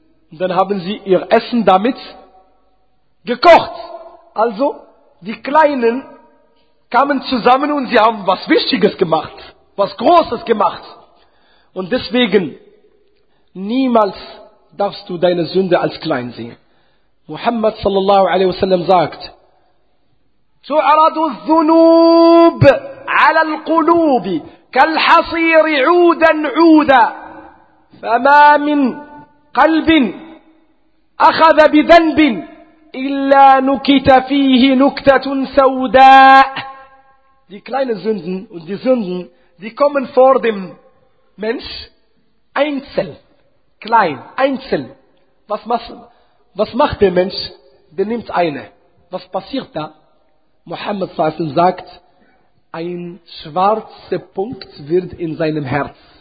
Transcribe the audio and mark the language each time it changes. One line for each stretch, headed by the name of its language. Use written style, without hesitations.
German: Und dann haben sie ihr Essen damit gekocht. Also, die Kleinen kamen zusammen und sie haben was Wichtiges gemacht, was Großes gemacht. Und deswegen, niemals darfst du deine Sünde als klein sehen. Muhammad sallallahu alaihi wasallam sagt,
Arabic: تُعْرَضُ الذُّنُوبُ على القلوب كالحصير عودا عودا فما من قلب أخذ بذنب إلا نكت فيه نكتة سوداء.
German: Die kleinen Sünden und die Sünden, die kommen vor dem Mensch einzeln, klein, einzeln. Was macht der Mensch? Der nimmt eine. Was passiert da? Muhammad sallallahu alaihi wasallam sagt, ein schwarzer Punkt wird in seinem Herz.